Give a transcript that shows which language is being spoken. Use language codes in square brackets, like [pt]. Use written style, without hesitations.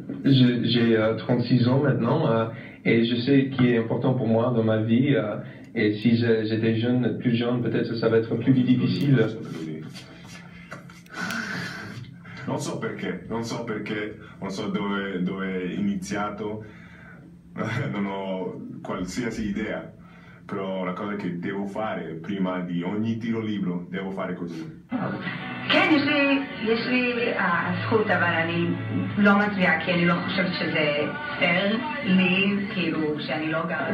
[fr] J'ai 36 ans maintenant et je sais qui est important pour moi dans ma vie. Et si j'étais jeune, plus jeune, peut-être ça va être plus difficile. [it] Non so perché, non so perché, non so dove è iniziato. Non ho qualsiasi idea, però la cosa che devo fare prima di ogni tiro libro, devo fare così. [en] Can you say, [it] scusa, [he] Valani, לא מצביעה כי אני לא חושבת שזה fair לי, כאילו, שאני לא גרה שם.